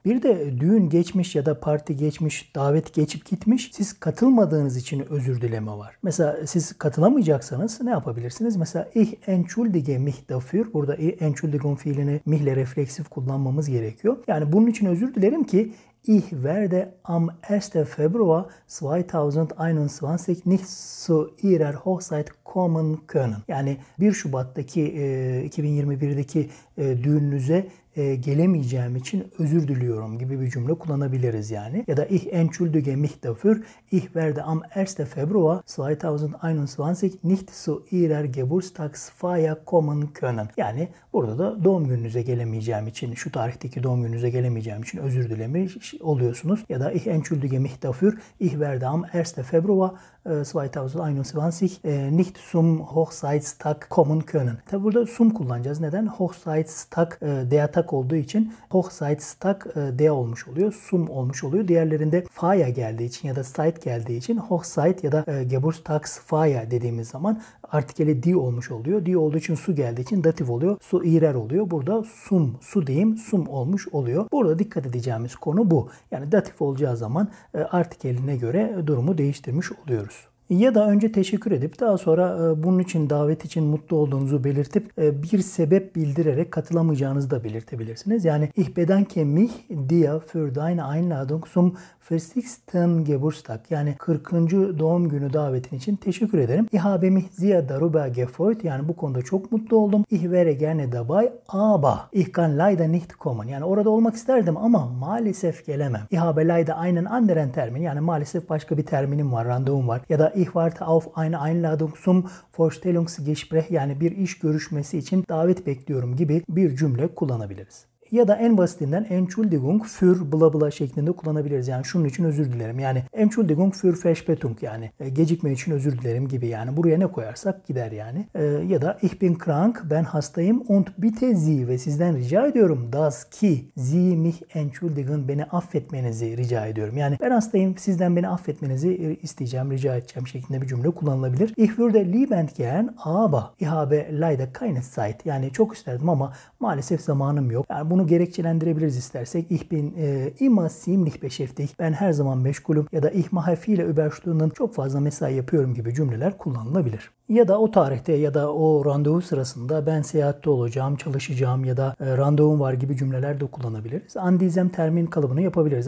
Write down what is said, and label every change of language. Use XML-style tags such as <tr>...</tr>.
<tr>Bir de düğün geçmiş ya da parti geçmiş, davet geçip gitmiş, siz katılmadığınız için özür dileme var. Mesela siz katılamayacaksanız ne yapabilirsiniz?</tr> <de>Mesela ich entschuldige mich dafür.</de> <tr>Burada</tr> <de>ich entschuldigen</de> <tr>fiilini mich ile refleksif kullanmamız gerekiyor. Yani bunun için özür dilerim ki</tr> <de>ich werde am 1. Februar 2021 nicht zu Ihrer Hochzeit kommen können.</de> <tr>Yani 1 Şubat'taki 2021'deki düğününüze gelemeyeceğim için özür diliyorum gibi bir cümle kullanabiliriz yani. Ya da</tr> <de>ich entschuldige mich dafür, ich werde am 1. Februar 2021 nicht zu Ihrer Geburtstagsfeier kommen können.</de> <tr>Yani burada da doğum gününüze gelemeyeceğim için, şu tarihteki doğum gününüze gelemeyeceğim için özür dilemiş oluyorsunuz.</tr> <de>Ya da ich entschuldige mich dafür, ich werde am 1. Februar 2021 nicht zum Hochzeitstag kommen können.</de> <tr>Tabi burada zum kullanacağız. Neden? Hochzeitstag der Tag olduğu için Hochzeitstag der olmuş oluyor. Sum olmuş oluyor. Diğerlerinde Feier geldiği için ya da Zeit geldiği için Hochzeit ya da Geburtstagsfeier dediğimiz zaman artikeli die olmuş oluyor. Die olduğu için su geldiği için dativ oluyor. Su irer oluyor. Burada sum, su diyeyim, sum olmuş oluyor. Burada dikkat edeceğimiz konu bu. Yani dativ olacağı zaman artikeline göre durumu değiştirmiş oluyoruz. Ya da önce teşekkür edip daha sonra bunun için, davet için mutlu olduğunuzu belirtip bir sebep bildirerek katılamayacağınızı da belirtebilirsiniz. Yani</tr> <de>ich bedanke mich dir für deine Einladung zum 60.</de> <tr>Geburtstag, yani 40. doğum günü davetin için teşekkür ederim.</tr> <de>Ich habe mich sehr darüber gefreut,</de> <tr>yani bu konuda çok mutlu oldum.</tr> <de>Ich wäre gerne dabei, aber ich kann leider nicht kommen.</de> <tr>Yani orada olmak isterdim ama maalesef gelemem.</tr> <de>Ich habe leider einen anderen Termin,</de> <tr>yani maalesef başka bir terminim var, randevum var. Ya da</tr> <de>ich warte auf eine Einladung zum Vorstellungsgespräch,</de> <tr>yani bir iş görüşmesi için davet bekliyorum gibi bir cümle kullanabiliriz. Ya da en basitinden</tr> <de>Entschuldigung für bla bla</de> <tr>şeklinde kullanabiliriz. Yani şunun için özür dilerim. Yani</tr> <de>Entschuldigung für Verspätung,</de> <tr>yani gecikme için özür dilerim gibi. Yani buraya ne koyarsak gider yani. Ya da</tr> <de>ich bin krank,</de> <tr>ben hastayım.</tr> <de>Und bitte Sie,</de> <tr>ve sizden rica ediyorum.</tr> <de>Das ki Sie mich entschuldigen,</de> <tr>beni affetmenizi rica ediyorum. Yani ben hastayım, sizden beni affetmenizi isteyeceğim, rica edeceğim şeklinde bir cümle kullanılabilir.</tr> <de>Ich würde liebend gern, aber ich habe leider keine Zeit.</de> <tr>Yani çok isterdim ama maalesef zamanım yok. Yani bunu gerekçelendirebiliriz istersek.</tr> <de>Ich bin immer ziemlich beschäftigt.</de> <tr>Ben her zaman meşgulüm. Ya da</tr> <de>ich mache viele Überstunden,</de> <tr>çok fazla mesai yapıyorum gibi cümleler kullanılabilir. Ya da o tarihte ya da o randevu sırasında ben seyahatte olacağım, çalışacağım ya da randevum var gibi cümleler de kullanabiliriz.</tr> <de>An diesem Termin</de> <tr>kalıbını yapabiliriz.</tr>